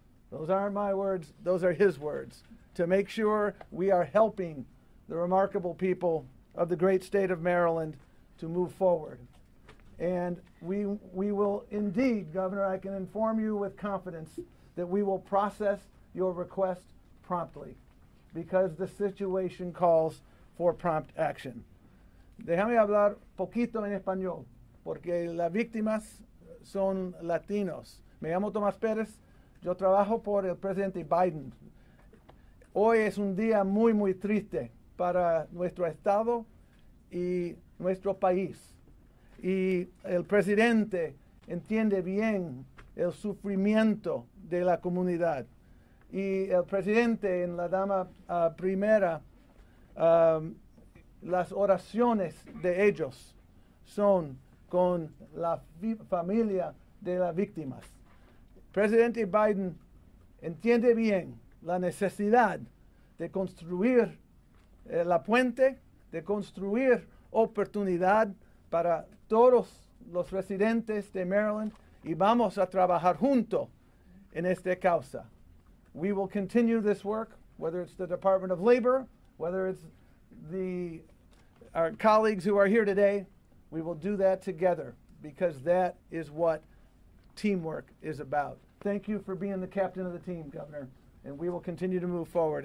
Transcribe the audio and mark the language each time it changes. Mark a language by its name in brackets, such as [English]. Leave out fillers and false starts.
[English] Those aren't my words, those are his words, to make sure we are helping the remarkable people of the great state of Maryland to move forward. And we will indeed, Governor, I can inform you with confidence that we will process your request promptly, because the situation calls for prompt action. [Spanish] Déjame hablar poquito en español, porque las víctimas son latinos. Me llamo Tomás Pérez, yo trabajo por el presidente Biden. Hoy es un día muy, muy triste para nuestro estado y nuestro país. Y el presidente entiende bien el sufrimiento de la comunidad. Y el presidente en la dama primera, las oraciones de ellos son con la familia de las víctimas. Presidente Biden entiende bien la necesidad de construir la puente, de construir oportunidad para todos los residentes de Maryland y vamos a trabajar junto en esta causa. [English] We will continue this work, whether it's the Department of Labor, whether it's the our colleagues who are here today, we will do that together because that is what teamwork is about. Thank you for being the captain of the team, Governor, and we will continue to move forward.